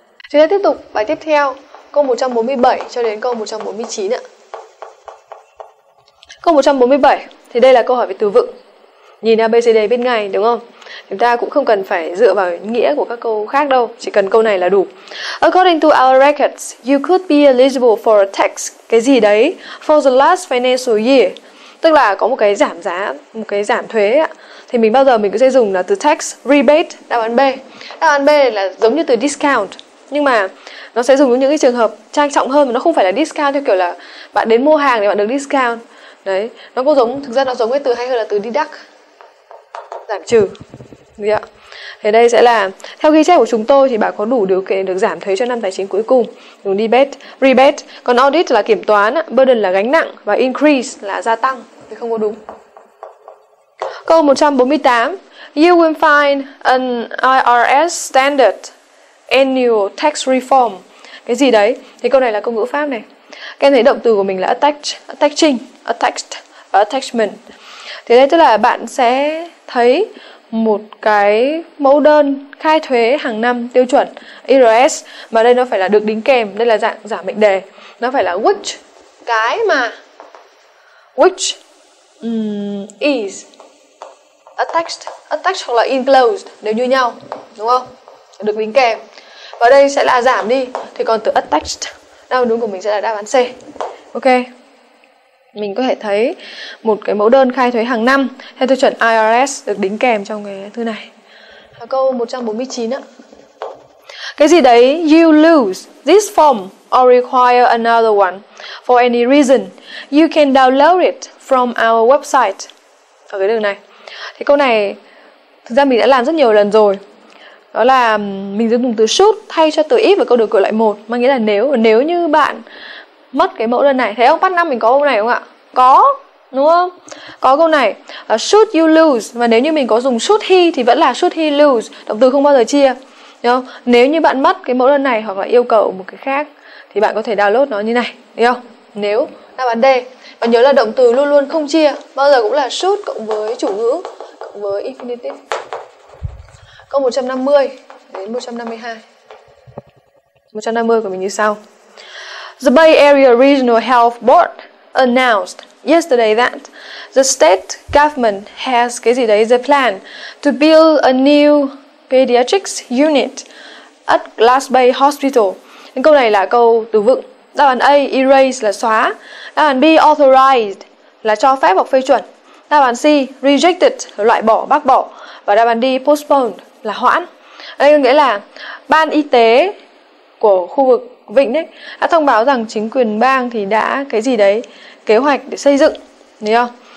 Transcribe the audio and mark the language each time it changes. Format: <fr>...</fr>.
<vi>Chúng ta tiếp tục bài tiếp theo, câu 147 cho đến câu 149 ạ. Câu 147 thì đây là câu hỏi về từ vựng. Nhìn ABCD bên ngay, đúng không? Chúng ta cũng không cần phải dựa vào nghĩa của các câu khác đâu, chỉ cần câu này là đủ.</vi> <en>According to our records, you could be eligible for a tax,</en> <vi>cái gì đấy,</vi> <en>for the last financial year.</en> <vi>Tức là có một cái giảm giá, một cái giảm thuế ạ. Thì mình bao giờ mình cứ sẽ dùng là từ tax, rebate, đáp án B. Đáp án B là giống như từ discount, nhưng mà nó sẽ dùng những cái trường hợp trang trọng hơn, mà nó không phải là discount theo kiểu là bạn đến mua hàng thì bạn được discount. Đấy, nó cũng giống, thực ra nó giống với từ hay hơn là từ deduct, giảm trừ. Được ạ. Thì đây sẽ là theo ghi chép của chúng tôi thì bạn có đủ điều kiện được giảm thuế cho năm tài chính cuối cùng, dùng debate, rebate. Còn audit là kiểm toán, burden là gánh nặng và increase là gia tăng, thì không có đúng.</vi> <en>Câu 148, you will find an IRS standard annual tax reform.</en> <vi>Cái gì đấy? Thì câu này là câu ngữ pháp này. Các em thấy động từ của mình là attach, attaching, attached, attachment. Thì đây tức là bạn sẽ thấy một cái mẫu đơn khai thuế hàng năm tiêu chuẩn IRS, mà đây nó phải là được đính kèm, đây là dạng giả mệnh đề. Nó phải là which, cái mà which is attached, attached hoặc là enclosed đều như nhau, đúng không? Được đính kèm. Và đây sẽ là giảm đi, thì còn từ attached, đáp án đúng của mình sẽ là đáp án C. Ok. Mình có thể thấy một cái mẫu đơn khai thuế hàng năm theo tiêu chuẩn IRS được đính kèm trong cái thư này. Câu 149 ạ. Cái gì đấy?</vi> <en>You lose this form or require another one for any reason. You can download it from our website.</en> <vi>Ở cái đường này. Thì câu này thực ra mình đã làm rất nhiều lần rồi. Đó là mình dùng từ should thay cho từ if ở câu đường cửa loại 1, mà nghĩa là nếu như bạn mất cái mẫu đơn này. Thế không? Bắt năm mình có câu này đúng không ạ? Có, đúng không? Có câu này.</vi> <en>Should you lose?</en> <vi>Và nếu như mình có dùng should he thì vẫn là</vi> <en>should he lose.</en> <vi>Động từ không bao giờ chia. Không? Nếu như bạn mất cái mẫu đơn này hoặc là yêu cầu một cái khác thì bạn có thể download nó như này. Không? Nếu đáp án D. Và nhớ là động từ luôn luôn không chia. Bao giờ cũng là should cộng với chủ ngữ cộng với infinitive. Câu 150 đến 152. 150 của mình như sau.</vi> <en>The Bay Area Regional Health Board announced yesterday that the state government has</en> <vi>cái gì đấy,</vi> <en>the plan to build a new pediatrics unit at Glass Bay Hospital.</en> <vi>Nên câu này là câu từ vựng. Đáp án A, erase là xóa. Đáp án B, authorized là cho phép hoặc phê chuẩn. Đáp án C, rejected, loại bỏ, bác bỏ. Và đáp án D, postponed là hoãn. Đây có nghĩa là ban y tế của khu vực Vịnh ấy, đã thông báo rằng chính quyền bang thì đã cái gì đấy, kế hoạch để xây dựng, hiểu không?</vi>